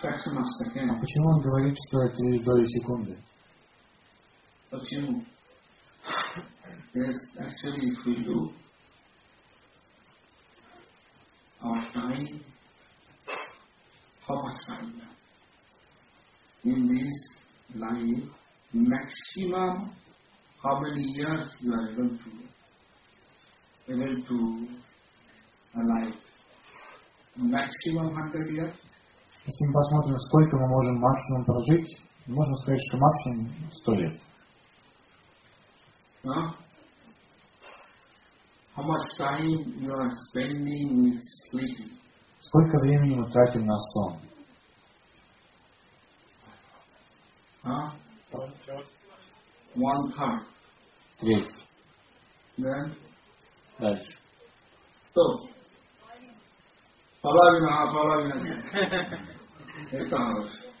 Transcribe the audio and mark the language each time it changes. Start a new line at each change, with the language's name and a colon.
Russian: А почему он говорит, что это лишь доли секунды? Почему?
English: Yes, actually, if we do, our time, how much time in this line, maximum, how many years you are able to alive? Maximum 100 years.
Russian: Если мы посмотрим, сколько мы можем максимум прожить, можно сказать, что максимум 100 лет. Huh?
English: How much time you are spending with sleeping?
Russian: Сколько времени мы тратим на сон?
English: One third.
Russian: Треть.
English: Then?
Russian: Дальше. So, половина. Это хорошо.